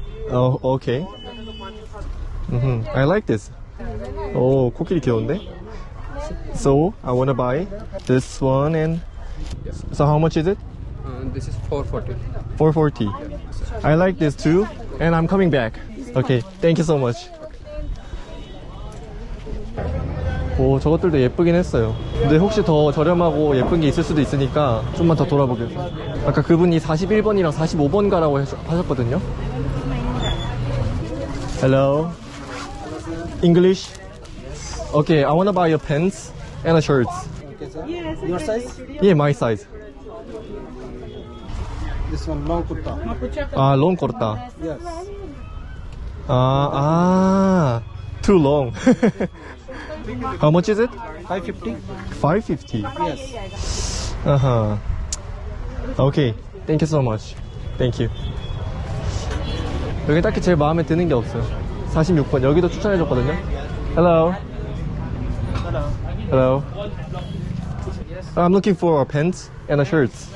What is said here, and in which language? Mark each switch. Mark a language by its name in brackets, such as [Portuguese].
[English] Oh, okay. Mm-hmm. I like this. [Korean] Oh, 코끼리 귀여운데? [English] So, I want to buy this one and... So, how much is it? This is $440. $440. Yeah, I like this too, and I'm coming back. Okay, thank you so much. [Korean] 오, 저것들도 예쁘긴 했어요. 근데 혹시 더 저렴하고 예쁜 게 있을 수도 있으니까 좀만 더 돌아보겠습니다. 아까 그분이 41번이랑 45번 가라고 하셨거든요. [English] Hello. English. Okay, I wanna buy a pants and a shirt. Yes. Your size? Yeah, my size. This one, long kurta. Ah, long kurta. Yes. Too long. How much is it? $550. Yes. Okay. Thank you so much. Thank you. [Korean] 여기 딱히 제일 마음에 드는 게 없어요. 46번. 여기도 추천해줬거든요. [English] Hello. Hello. Hello. I'm looking for a pants and a shirt.